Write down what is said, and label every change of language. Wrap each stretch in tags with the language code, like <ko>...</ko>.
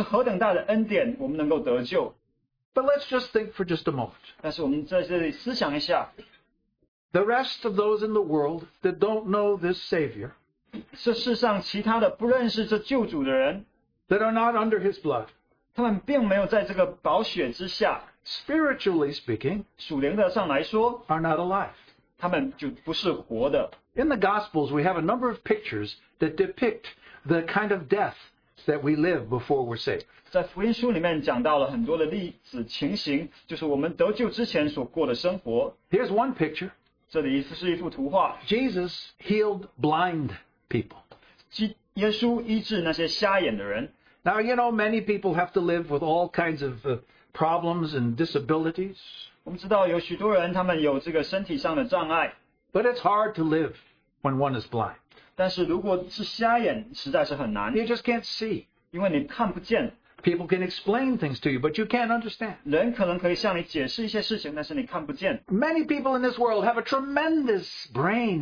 <zh>我们没有思想明白这个是何等大的恩典，我们能够得救。</zh> <en>But let's just think for just a moment.</en> <zh>但是我们在这里思想一下。</zh> <en>The rest of those in the world that don't know this Savior,</en> <zh>这世上其他的不认识这救主的人,</zh> <en>that are not under His blood,</en> <zh>他们并没有在这个宝血之下,</zh> <en>spiritually speaking,</en> <zh>属灵的上来说,</zh> <en>are not alive. In the Gospels, we have a number of pictures that depict the kind of death that we live before we're saved.</en> <zh>在福音书里面讲到了很多的例子情形, 就是我们得救之前所过的生活。</zh> <en>Here's one picture.</en> <zh>这里是一幅图画。</zh> <en>Jesus healed blind people.</en> <zh>耶稣医治那些瞎眼的人。</zh> <en>Now, you know, many people have to live with all kinds of problems and disabilities.</en> <zh>我们知道有许多人他们有这个身体上的障碍,</zh> <en>but it's hard to live when one is blind.</en> <zh>但是如果是瞎眼,</zh> <en>you just can't see.</en> <zh>因为你看不见,</zh> <en>people can explain things to you, but you can't understand. Many people in this world have a tremendous brain.</en>